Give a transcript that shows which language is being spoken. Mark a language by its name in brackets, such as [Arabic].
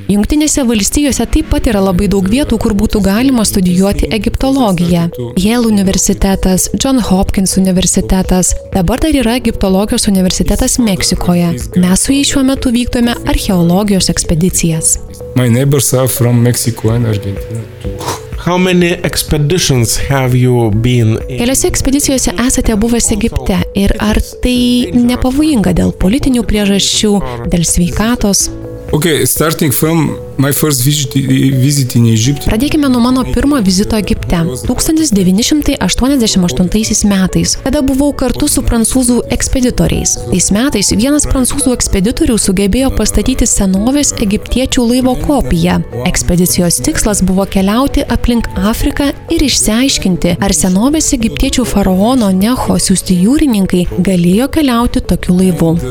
[Lithuanian] Jungtinėse valstijose taip pat yra labai daug vietų, kur būtų galima studijuoti egiptologiją. Yale universitetas, John Hopkins universitetas, dabar dar yra egiptologijos universitetas Meksikoje. Mes su jais šiuo metu vykdome archeologijos ekspedicijas. [English] My neighbors are from Mexico and Argentina. How many expeditions have you been? [Lithuanian] Keliose ekspedicijose esate buvęs Egipte ir ar tai nepavojinga dėl politinių priežasčių, dėl sveikatos? [English] Okay, starting from my first visit in Egypt. [Lithuanian] Pradėkime nuo mano pirmo vizito Egipte 1988 metais, kada buvau kartu su prancūzų ekspeditoriais. Tais metais vienas prancūzų ekspeditorių sugebėjo pastatyti senovės egiptiečių laivo kopiją. Ekspedicijos tikslas buvo keliauti aplink Afriką ir išsiaiškinti, ar senovės egiptiečių faraono Necho siūsti jūrininkai galėjo keliauti tokiu laivu.